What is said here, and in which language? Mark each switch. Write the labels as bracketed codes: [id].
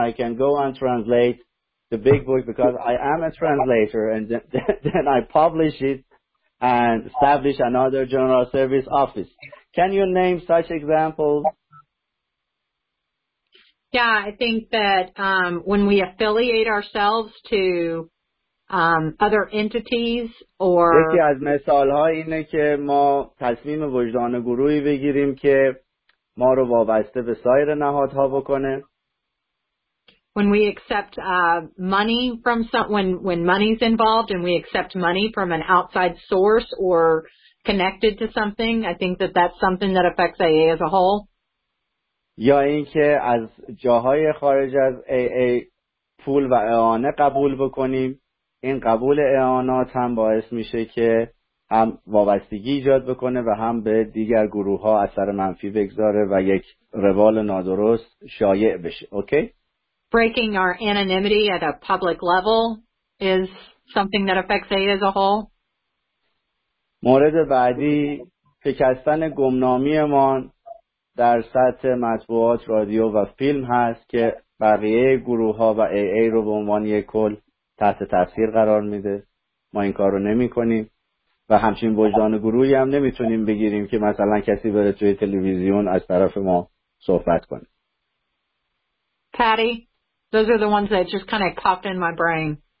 [en] I can go and translate the big book because I am a translator, and then I publish it and establish another general service office. Can you name such examples? Yeah, I think that when we affiliate ourselves to other entities or... [fa] یکی از مثال‌ها اینه که ما تصمیم وجدان گروهی بگیریم که ما رو وابسته به سایر نهادها بکنه. [en] When we accept money from some, when money's involved and we accept money from an outside source or connected to something, I think that that's something that affects AA as a whole. [fa] یا اینکه از جاهای خارج از AA پول و اعانه قبول بکنیم، این قبول اعانات هم باعث میشه که هم وابستگی ایجاد بکنه و هم به دیگر گروه ها اثر منفی بگذاره و یک روال نادرست شایع بشه. [en] Okay? Breaking our anonymity at a public level is something that affects AA as a whole. [fa] مورد بعدی، شکستن گمنامی ما در سطح مطبوعات، رادیو و فیلم هست که بقیه گروه ها و AA رو به عنوان یک کل تحت تاثیر قرار میده. ما این کار رو نمی کنیم. و همچنین وجدان گروهی هم نمیتونیم بگیریم که مثلا کسی بره توی تلویزیون از طرف ما صحبت کنه. [en] Patty, those are the ones that just kind of popped in my brain.